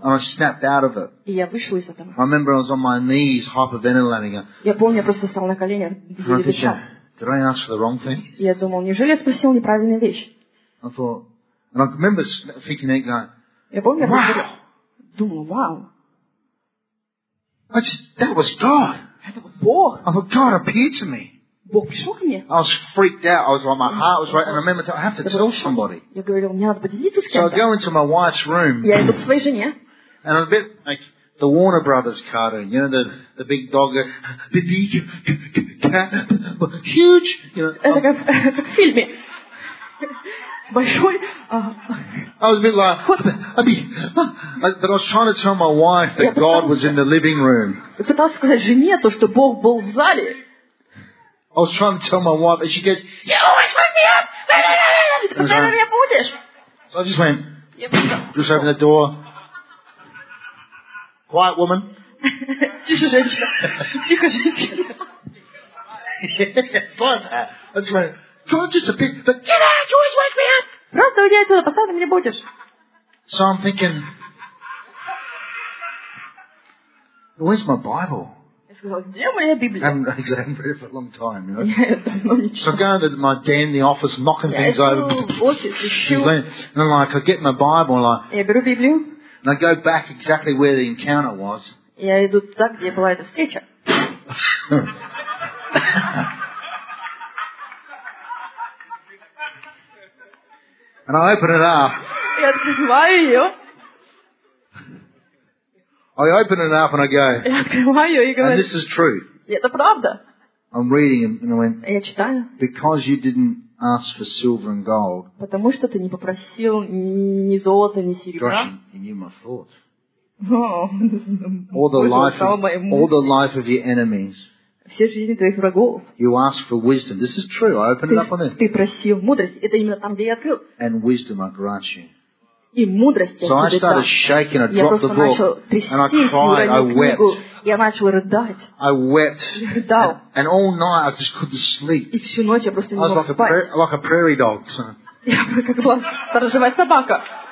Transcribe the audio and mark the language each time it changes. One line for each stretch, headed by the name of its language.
English: And I snapped out of it.
Russian: И я вышел из этого.
English: I remember I was on my knees, hyperventilating.
Russian: Я помню, я просто встал на колени, дышал.
English: Did I ask for the wrong thing?
Russian: Я думал, неужели я спросил неправильную вещь?
English: I thought, and I remember thinking that guy.
Russian: Я помню,
English: wow.
Russian: Я думал, вау.
English: That was God.
Russian: Это был Бог.
English: I thought God appeared to me.
Russian: Бог пришел ко мне.
English: I was freaked out. I was like, my heart was racing. I remember, I have to tell somebody.
Russian: Я говорил, мне надо поделиться с кем-то.
English: So I go into my wife's room.
Russian: Я иду к своей жене.
English: And I'm a bit like the Warner Brothers cartoon, you know, the big dog, the big cat, huge, you know.
Russian: Это как в фильме. Большой.
English: I was a bit like, but I was trying to tell my wife that God was in the living room.
Russian: Пытался сказать жене то, что Бог был в зале.
English: I was trying to tell my wife, and she goes, "You always wake me up. So I just went, just opened the door. Quiet woman.
Russian: Тише, женщина. Тихо, женщина.
English: That's right. Can I just a bit, but get out, you always wake me up.
Russian: Просто уйди отсюда, поставь, не будешь.
English: So I'm thinking, where's my Bible?
Russian: Сказал, где моя Библия?
English: I haven't read it for a long time, you know. So I go into my den, the office, knocking things over. And I'm like, I get my Bible, and like.
Russian: Я беру Библию.
English: And I go back exactly where the encounter was.
Russian: Я иду туда, где была эта встреча.
English: And I open it up.
Russian: Я открываю ее.
English: I open it up and I go, and this is true.
Russian: Это правда.
English: I'm reading it and I went, because you didn't ask for silver and gold.
Russian: Потому что ты не попросил ни золота, ни серебра.
English: Gosh, you knew my thoughts. All the life of your enemies.
Russian: Все жизни твоих врагов.
English: You ask for wisdom. This is true. I opened it up on it.
Russian: Ты просил мудрость. Это именно там, где я открыл.
English: And wisdom I grant you.
Russian: И мудрость.
English: So I started shaking, I dropped the book, and I cried, I wept.
Russian: Я начал рыдать.
English: I wept.
Russian: Я рыдал.
English: And all night I just couldn't sleep.
Russian: И всю ночь я просто не мог спать.
English: I was like a prairie dog.
Russian: Я как была сторожевая собака.